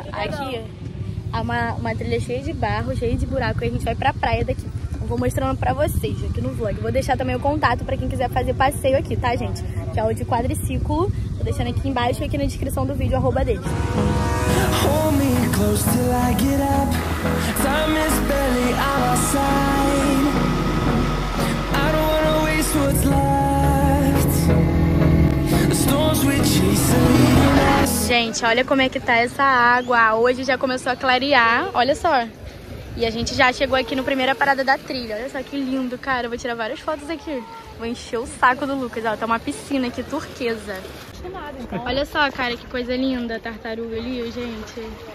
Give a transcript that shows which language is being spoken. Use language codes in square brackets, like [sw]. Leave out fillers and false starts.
[pt] Aqui há uma trilha cheia de barro, cheia de buraco. E a gente vai pra praia daqui. Eu vou mostrando pra vocês aqui no vlog. Vou deixar também o contato pra quem quiser fazer passeio aqui, tá, gente? Que é o de quadriciclo. Tô deixando aqui embaixo e aqui na descrição do vídeo, arroba deles. [en] Hold me close till I get up. Time is barely on our side. I don't wanna waste what's left. The storms we chase are leading us. [pt] Gente, olha como é que tá essa água. Hoje já começou a clarear. Olha só. E a gente já chegou aqui no primeira parada da trilha. Olha só que lindo, cara. Eu vou tirar várias fotos aqui. Vou encher o saco do Lucas. Ó, tá uma piscina aqui, turquesa. Olha só, cara, que coisa linda a tartaruga ali, gente.